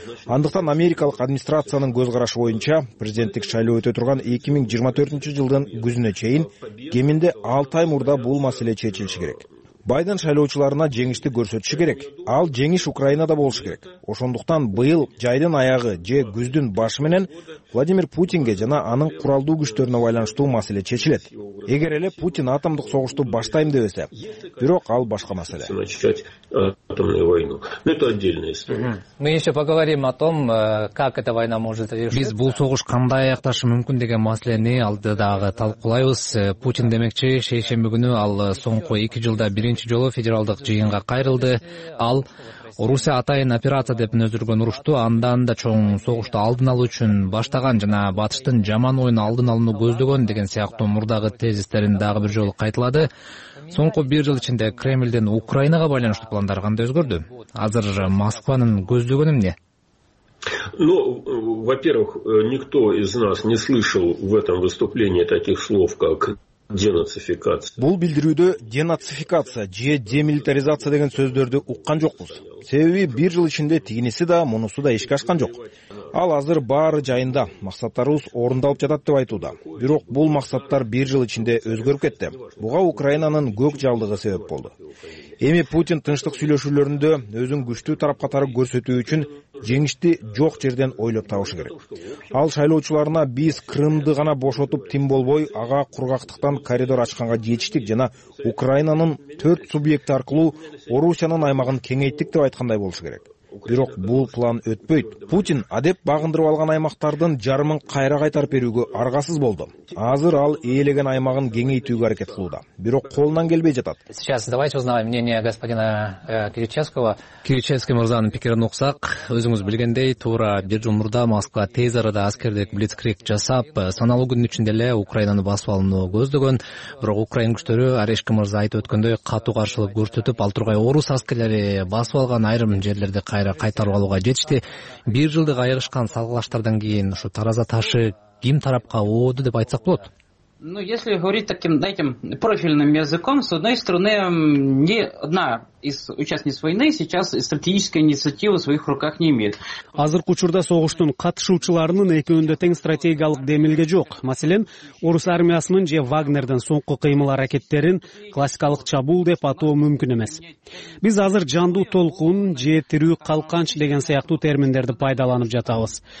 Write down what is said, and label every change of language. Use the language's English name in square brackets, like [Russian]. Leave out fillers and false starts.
[Kyrgyz] Андыктан Америкалык администрациянын көз карашы боюнча президенттик шайлоо өтө турган 2024 жылдын күзүнө чейин кеминде 6 ай мурда бул маселе чечилиши керек. Байден шайлоочуларына жеңишти көрсөтүшү керек. Ал жеңиш Украинада болушу керек. Ошондуктан быйыл жайдын аягы же күздүн башы менен Владимир Путинге жана анын куралдуу күчтөрүнө байланыштуу маселе чечилет. Эгер эле Путин атомдук согушту баштайм дебесе, бирок ал башка маселе. [Russian] Мы еще поговорим о том, как эта война может решиться. [Kyrgyz] Биз бул согуш кандай аякташы мүмкүн деген маселени алдыдагы талкуулайбыз. Путин демекчи, шейшемби күнү ал соңку 2 жылда биринчи жолу федералдык жыйынга кайрылды. Ал Орусия атайын операция деп нөзүргөн урушту андан да чоң согушту алдын алуу үчүн баштаган жана батыштын жаман оюн алдын алууну көздөгөн деген сыяктуу мурдагы тезистерин дагы бир жолу кайталады. Соңку бир жыл ичинде Кремлдин Украинага байланыштуу пландары кандай өзгөрдү? Азыр Москванын көздөгөнү эмне? [Russian] Ну, во-первых, никто из нас не слышал в этом выступлении таких слов, как денацификация. [Kyrgyz] Бул билдирүүдө денацификация же демилитаризация деген сөздөрдү уккан жокпуз. Себеби бир жыл ичинде тигиниси да, мунусу да ишке ашкан жок. Ал азыр баары жайында, максаттарыбыз орундалып жатат деп айтууда. Бирок бул максаттар бир жыл ичинде өзгөрүп кетти. Буга Украинанын көк жалдыгы себеп болду. Эми Путин тынчтык сүйлөшүүлөрүндө өзүн күчтүү тарап катары көрсөтүү үчүн жеңишти жок жерден ойлоп табышы керек. Ал шайлоочуларына биз Крымды гана бошотуп тим болбой, ага кургактыктан коридор ачканга жетиштик жана Украинанын 4 субъекти аркылуу Орусиянын аймагын кеңейттик деп айткандай болушу керек. Бирок бул план өтпөйт. Путин адеп багындырып алган аймактардын жарымын кайра кайтарып берүүгө аргасыз болду. Азыр ал ээлеген аймагын кеңейтүүгө аракет кылууда. Бирок колунан келбей жатат. [Russian] Сейчас давайте узнаем мнение господина Кириченского. [Kyrgyz] Кириченский мырзанын пикирин уксак, өзүңүз билгендей, туура бир жыл мурда Москва тез арада аскердик блицкриг жасап, саналуу күндүн ичинде эле Украинаны басып алууну көздөгөн. Бирок Украин күчтөрү, Орешкин мырза айтып өткөндөй, катуу каршылык көрсөтүп, ал тургай орус аскерлери басып алган айрым жерлерди кайра кайтарып алууга жетишти. Бир жылды айырышкан салгылаштардан кийин ушу тараза ташы ким тарапка ооду деп айтсак болот? [Russian] Ну, если говорить таким, знаете, профильным языком, с одной стороны, ни одна из участниц войны сейчас стратегическую инициативу в своих руках не имеет. [Kyrgyz] Азыркы учурда согуштун катышуучуларынын экөөндө тең стратегиялык демилге жок. Маселен, орус армиясынын же Вагнердин соңку кыймыл аракеттерин классикалык чабуул деп атоо мүмкүн эмес. Биз азыр жандуу толкун, же тирүү калканч деген сыяктуу терминдерди пайдаланып жатабыз.